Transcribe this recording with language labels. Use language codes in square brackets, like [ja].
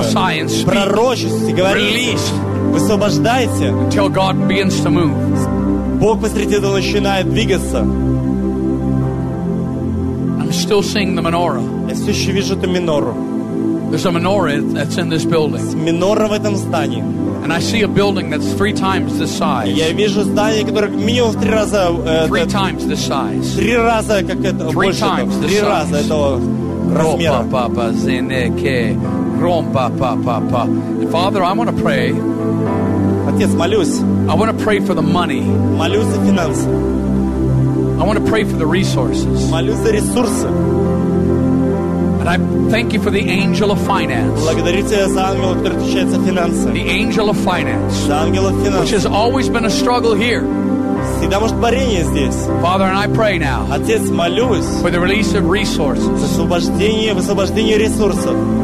[en] Prophesy and speak. [ru] Пророчить и говорить. [en] Release. [ru] Высвобождайте. [en] Until God begins to move. [ru] Бог посреди этого начинает двигаться. [en] I'm still seeing the menorah. [ru] Я все еще вижу эту минору. [en] There's a menorah that's in this building. [ru] Минора в этом здании. [en] And I see a building that's three times this size. [ru] Я вижу здание, которое минимум в три раза. [en] Three times this size. [ru] Три раза как это больше. Три раза этого размера. Папа, зенеке, ромба, папа. [en] Father, I want to pray. [ru] Отец, молюсь. [en] I want to pray for the money. [ru] Молюсь за финансы. [en] I want to pray for the resources. [ru] Молюсь за ресурсы. [en] And I thank you for the angel of finance. [ru] Благодарю тебя за ангела, который отвечает за финансы. [en] The angel of finance. [ru] За ангела финансов. [en] Which has always been a struggle here. [ru] Всегда может борение здесь. [en] Father, and I pray now. [ru] Отец, молюсь. [en] For the release of resources. [ru] За освобождение ресурсов.